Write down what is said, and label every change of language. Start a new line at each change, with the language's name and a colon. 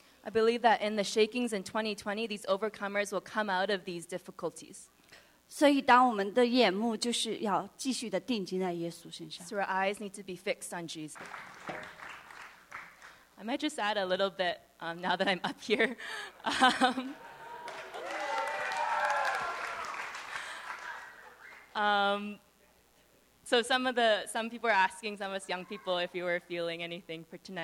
English: I believe that in the shakings in 2020, these overcomers will come out of these difficulties.
Chinese: 所以当我们的眼目就是要继续的定睛在耶稣身上。
English: So our eyes need to be fixed on Jesus. I might just add a little bit now that I'm up here. So some people are asking, some of us young people, if you were feeling anything for tonight.